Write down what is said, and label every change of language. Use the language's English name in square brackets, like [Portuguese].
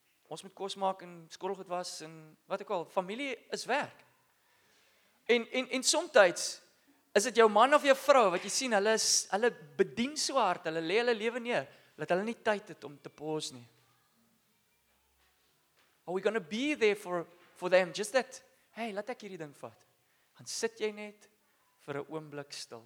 [Afrikaans] Ons moet kos maak en skottelgoed was en wat ook al, familie is werk. En soms is dit jou man of jou vrou wat jy sien hulle bedien so hard, hulle lê hulle lewe neer, dat hulle nie tyd het om te pos nie. [English] Are we going to be there for them? Just that, hey, [Afrikaans] laat ek hierdie ding vat. Dan sit jy net vir 'n oomblik stil.